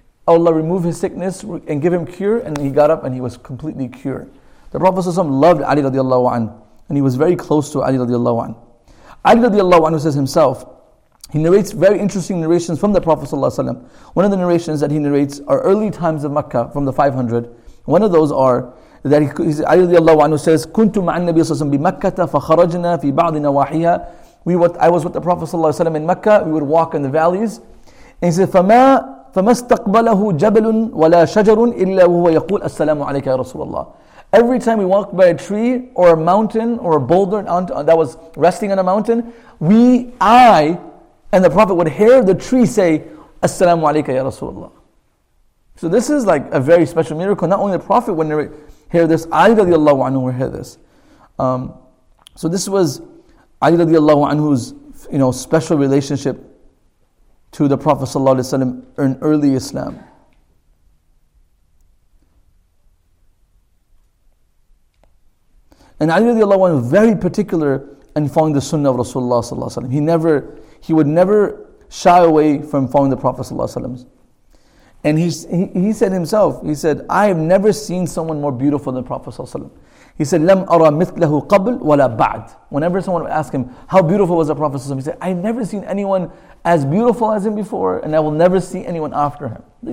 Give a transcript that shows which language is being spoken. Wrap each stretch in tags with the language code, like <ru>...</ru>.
<en>Allah remove his sickness and give him cure. And he got up and he was completely cured. The Prophet ﷺ loved Ali radiallahu anhu, and he was very close to Ali radiallahu anhu. Ali radiallahu anhu says himself, he narrates very interesting narrations from the Prophet ﷺ. One of the narrations that he narrates are early times of Makkah from the 500. One of those are that Ali radiallahu anhu says,</en> <ar>كُنْتُ مَعَ النَّبِيَ صَلَّى اللَّهُ عَلَيْهِ وَسَلَّمَ بِمَكَّةَ فَخَرَجْنَا فِي بَعْضِ نَوَاحِيَا.</ar> <en>I was with the Prophet ﷺ in Makkah. We would walk in the valleys. And he said,</en> <ar>فَمَا اسْتَقْبَلَهُ جَبَلٌ وَلَا شَجَرٌ إِلَّا وَهُوَ يَقُولُ أَسْسَلَامُ عَلَيْكَ يَا رَسُولَ اللَّهِ.</ar> <en>Every time we walked by a tree or a mountain or a boulder that was resting on a mountain, I and the Prophet would hear the tree say,</en> <ar>أَسْسَلَامُ عَلَيْكَ يَا رَسُولَ اللَّهِ.</ar> <en>So this is like a very special miracle. Not only the Prophet would hear this, Ali radiallahu anhu would hear this. So this was Ali radiallahu anhu's, you know, special relationship to the Prophet sallallahu alaihi wasallam in early Islam. And Ali radiallahu anhu was very particular in following the sunnah of Rasulullah sallallahu alaihi wasallam. He would never shy away from following the Prophet sallallahu alaihi wasallam. And he said himself, he said, I have never seen someone more beautiful than the Prophet sallallahu alaihi wasallam. He said,</en> <ar>لَمْ أَرَى مِثْلَهُ قَبْلْ وَلَا بَعْدْ.</ar> <en>Whenever someone would ask him, how beautiful was the Prophet sallallahu alaihi wasallam? He said, I've never seen anyone as beautiful as him before, and I will never see anyone after him.</en>